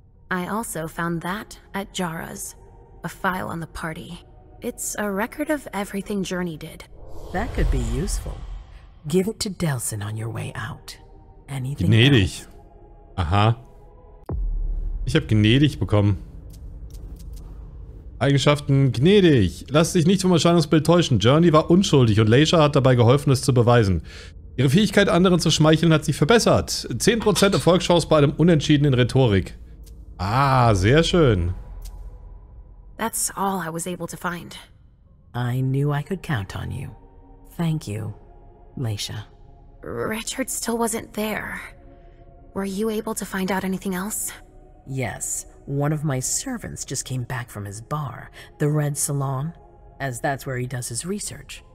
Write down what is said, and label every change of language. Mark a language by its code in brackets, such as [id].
[en] I also found that at Jara's. A file on the party. It's a record of everything Journey did. That could be useful. Give it to Delson on your way out. Anything gnädig. Else? [de] Aha. Ich habe gnädig bekommen. Eigenschaften gnädig. Lass dich nicht vom Erscheinungsbild täuschen. Journey war unschuldig und Leisha hat dabei geholfen, es zu beweisen. Ihre Fähigkeit, anderen zu schmeicheln, hat sich verbessert. 10% Erfolgschance bei einem Unentschieden in Rhetorik. Ah, sehr schön. [en] That's all I was able to find. I knew I could count on you. Thank you, Leisha. Richard still wasn't there. Were you able to find out anything else? Yes. One of my servants just came back from his bar, the Red Salon, as that's where he does his research.